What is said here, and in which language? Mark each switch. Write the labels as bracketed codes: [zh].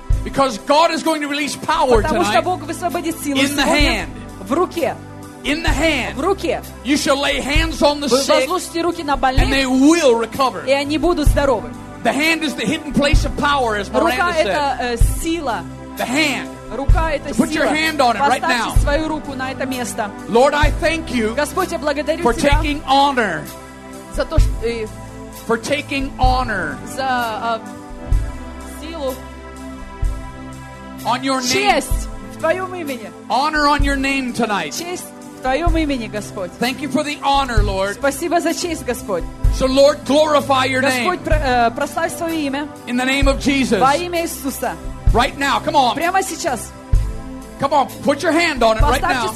[en] Because God is going to release power tonight in the hand. In the hand, you shall lay hands on the sick, and they will recover. The hand is the hidden place of power, as Miranda said. the hand. [ru] Рука — это сила. [en] Put your hand on it right now. [ru] Поставьте свою руку на это место. [en] Lord, I thank you. [ru] Господь, я благодарю тебя. [en] For taking honor. [ru] За то, что. [en] For taking honor. [ru] За силу. [en] On your name. [ru] Честь в твоем имени. [en] Honor on your name tonight. [ru] Честь в твоем имени, Господь. [en] Thank you for the honor, Lord. [ru] Спасибо за честь, Господь. [en] So Lord, glorify your name. [ru] Господь, прославь свое имя. [en] In the name of Jesus. [ru] Во имя Иисуса. [en] Right now, come on. [ru] Прямо сейчас. [en] Come on, put your hand on it right now.